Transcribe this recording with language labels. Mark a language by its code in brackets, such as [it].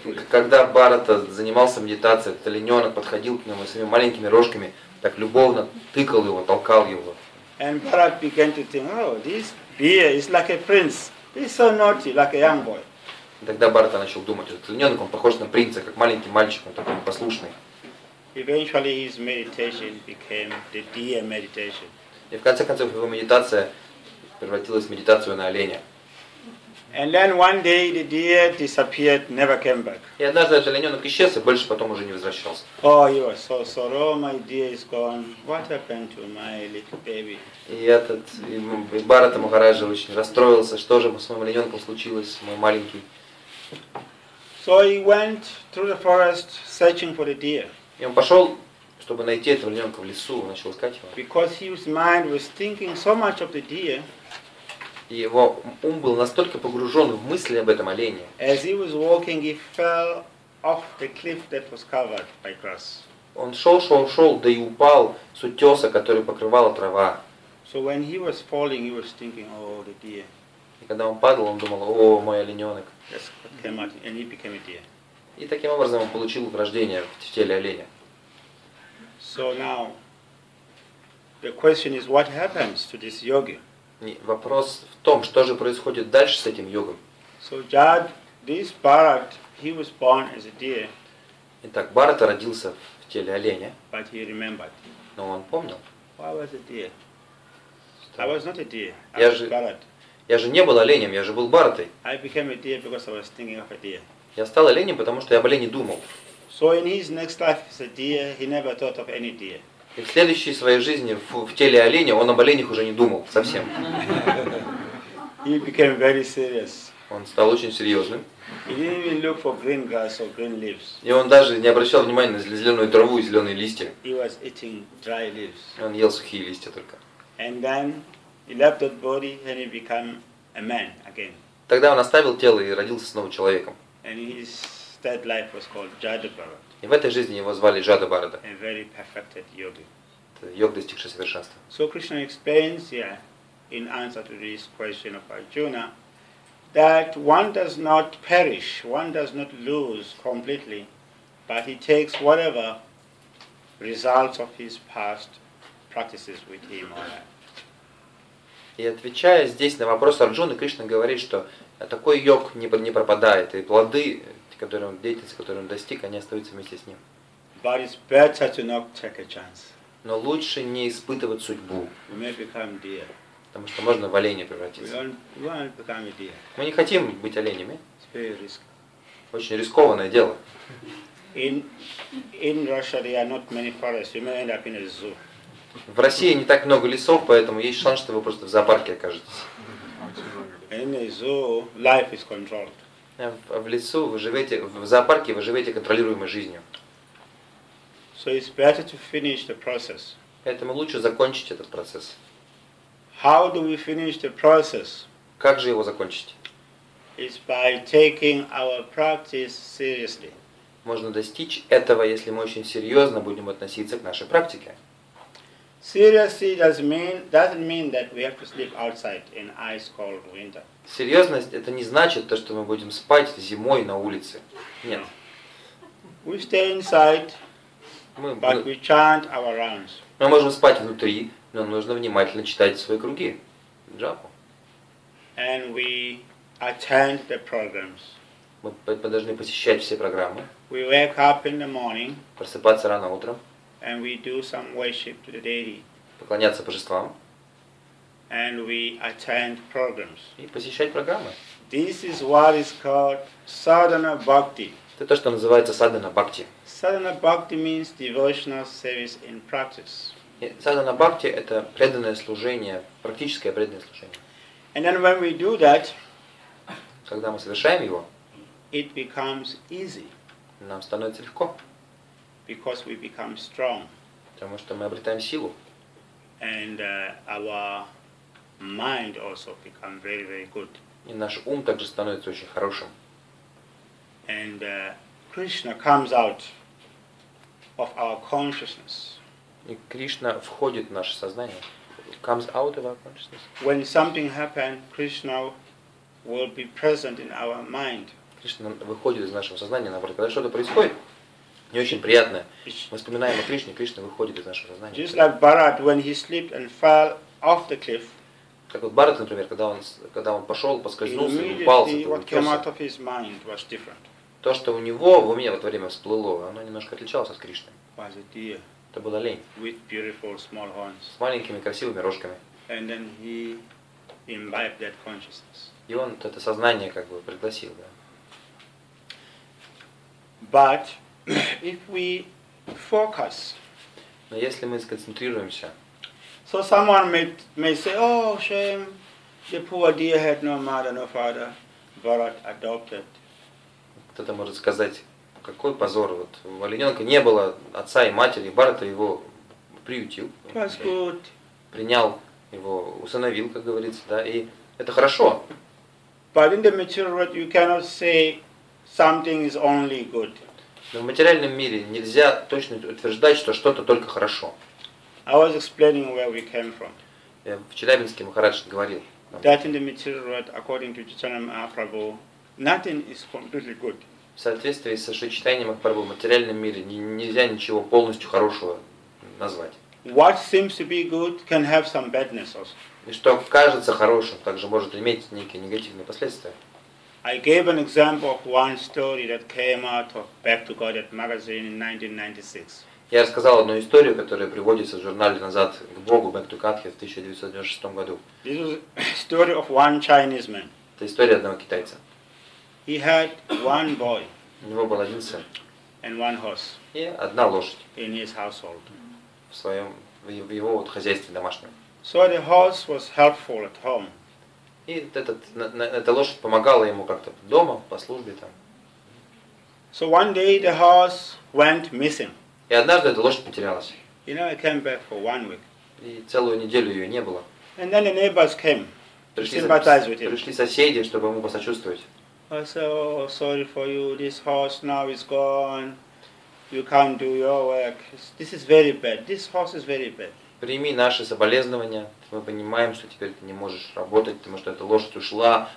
[ru] Когда Bharat занимался медитацией, этот олененок подходил к нему своими маленькими рожками, так любовно тыкал его, толкал его. [en] And Bharat began to think, oh, this deer is like a prince. He's so naughty, like a young boy. [ru] И тогда Барта начал думать, этот льненок, он похож на принца, как маленький мальчик, он такой непослушный. [en] Eventually his meditation became the deer meditation. [ru] И в конце концов его медитация превратилась в медитацию на оленя. [en] And then one day the deer disappeared, never came back. [ru] И однажды этот олененок исчез и больше потом уже не возвращался. [en] Oh, you are so sorrow, my deer is gone. What happened to my little baby? [ru] И Барата Махараджа очень расстроился, что же с моим олененком случилось, мой маленький. [en] So he went through the forest searching for the deer. [ru] И он пошел, чтобы найти этого льненка в лесу, он начал искать его. [en] Because his mind was thinking so much of the deer. [ru] И его ум был настолько погружен в мысли об этом олене. [en] As he was walking, he fell off the cliff that was covered by grass. [ru] Он шел, да и упал с утеса, который покрывала трава. [en] So when he was falling, he was thinking, oh, the deer. [ru] И когда он падал, он думал, о, мой олененок. [en] Yes, came out, and he became a deer. [ru] И таким образом он получил рождение в теле оленя. [en] So now the question is, what happens to this yogi? [ru] Вопрос в том, что же происходит дальше с этим йогом. [en] So Jad, this Bharat, he was born as a deer. [ru] Итак, Бхарата родился в теле оленя. [en] But he remembered. [ru] Но он помнил. [en] Why was a deer? I was not a deer. [ru] Я же Bharat. Я же не был оленем, я же был Бхаратой. [en] I became a deer because I was thinking of a deer. [ru] Я стал оленем, потому что я об олене думал. [en] So in his next life as a deer, he never thought of any deer. [ru] И в следующей своей жизни в теле оленя он об оленях уже не думал совсем. [en] He became very serious. [ru] Он стал очень серьезным. [en] He didn't even look for green grass or green leaves. [ru] И он даже не обращал внимания на зеленую траву и зеленые листья. [en] He was eating dry leaves. [ru] Он ел сухие листья только. [en] And then he left that body and he became a man again. [ru] Тогда он оставил тело и родился снова человеком. [en] And his third life was called Jadabharata. [ru] И в этой жизни его звали Jadabharata. [en] A very perfected yogi. [ru] Йог, достигший совершенства. [en] So Krishna explains here, in answer to this question of Arjuna, that one does not perish, one does not lose completely, but he takes whatever results of his past practices with him or that. [ru] И отвечая здесь на вопрос Арджуны, Кришна говорит, что такой йог не пропадает, и плоды, которые он, деятельность, которую он достиг, они остаются вместе с ним. [en] But it's better to not take a chance. [ru] Но лучше не испытывать судьбу. [en] We may become deer. [ru] Потому что можно в оленя превратиться. [en] We won't become a deer. [ru] Мы не хотим быть оленями. [en] It's very risky. [ru] Очень рискованное дело. [en] In Russia there are not many forests. You may end up in a zoo. [ru] В России не так много лесов, поэтому есть шанс, что вы просто в зоопарке окажетесь. [en] In a zoo, life is controlled. [ru] В лесу вы живете, в зоопарке вы живете контролируемой жизнью. [en] So it's better to finish the process. [ru] Поэтому лучше закончить этот процесс. [en] How do we finish the process? [ru] Как же его закончить? [en] It's by taking our practice seriously. [ru] Можно достичь этого, если мы очень серьезно будем относиться к нашей практике. [en] Seriously doesn't mean that we have to sleep outside in ice cold winter. [ru] Серьезность это не значит то, что мы будем спать зимой на улице. Нет. [en] We stay inside, but we chant our rounds. [ru] Мы можем спать внутри, но нужно внимательно читать свои круги. Джапу. [en] And we attend the programs. [ru] Мы должны посещать все программы. [en] We wake up in the morning. [ru] Просыпаться рано утром. [en] And we do some worship to the deity. [ru] Поклоняться божествам. [en] And we attend programs. [ru] И посещать программы. [en] This is what is called sadhana bhakti. [ru] Это то, что называется sadhana bhakti. [en] Sadhana bhakti means devotional service in practice. [ru] Sadhana bhakti это преданное служение, практическое преданное служение. [en] And then when we do that, [ru] когда мы совершаем его, [en] it becomes easy. [ru] Нам становится легко. [en] Because we become strong. [ru] Потому что мы обретаем силу. [en] And our mind also become very, very good. [ru] И наш ум также становится очень хорошим. [en] And Krishna comes out of our consciousness. [ru] И Кришна входит в наше сознание. [en] Comes out of our consciousness. When something happens, Krishna will be present in our mind. [ru] Кришна выходит из нашего сознания, наоборот, когда что-то происходит. Не очень приятное. Мы вспоминаем о Кришне, Кришна выходит из нашего сознания. [en] Just like Bharat, when he slipped and fell off the cliff. [ru] Как вот Барат, например, когда он пошел, поскользнулся, упал с этого утеса. То, что у него в уме в это время всплыло, оно немножко отличалось от Кришны. Это была лень. [en] With beautiful small horns. [ru] С маленькими красивыми рожками. [en] And then he imbibed that consciousness. [ru] И он это сознание как бы пригласил, да. [en] But if we focus. [ru] Но если мы сконцентрируемся. [en] So someone may say, oh, shame, the poor deer had no mother, no father, Bharat adopted. [ru] Кто-то может сказать, какой позор, вот у олененка не было отца и матери, Бхарата его приютил, принял его, усыновил, как говорится, да, и это хорошо. [en] But in the material world you cannot say something is only good. [ru] Но в материальном мире нельзя точно утверждать, что что-то только хорошо. [en] I was explaining where we came from. [ru] В Челябинске Махарадж говорил. [en] That in the material world, according to Chaitanya Mahaprabhu, nothing is completely good. [ru] В соответствии со Шри Чайтанья Махапрабху, в материальном мире нельзя ничего полностью хорошего назвать. [en] What seems to be good can have some badness also. [ru] И что кажется хорошим, также может иметь некие негативные последствия. [en] I gave an example of one story that came out of Back to God magazine in 1996. [ru] Я рассказал одну историю, которая приводится в журнале «Назад к Богу» Back to Godhead в 1996 году. [en] This is a story of one Chinese man. [ru] Это история одного китайца. [en] He had one boy. [ru] У него был один сын. [en] And one horse. [ru] И одна лошадь. [en] In his household. [ru] В его вот хозяйстве домашнем. [en] So the horse was helpful at home. [ru] И эта лошадь помогала ему как-то дома, по службе там. [en] So one day the horse went missing. [ru] И однажды эта лошадь потерялась. [en] You know, I came back for one week. [ru] И целую неделю ее не было. [en] And then the neighbors came. [ru] Пришли соседи, чтобы ему посочувствовать. [en] I said, oh, sorry for you, this horse now is gone. You can't do your work. This is very bad. This horse is very bad. [ru] Прими наши соболезнования. Мы понимаем, что теперь ты не можешь работать, потому что эта лошадь ушла.